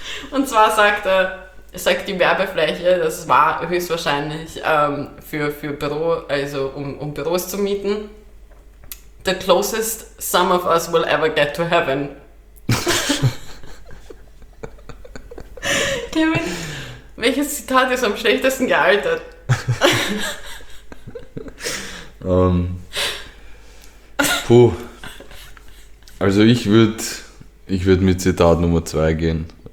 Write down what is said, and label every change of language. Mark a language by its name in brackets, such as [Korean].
[German] Und zwar sagt er, sagt die Werbefläche, das war höchstwahrscheinlich für Büro, also um Büros zu mieten. [English] The closest some of us will ever get to heaven. [German] Kevin, welches Zitat ist am schlechtesten gealtert? Puh. Also ich würd mit Zitat Nummer 2 gehen.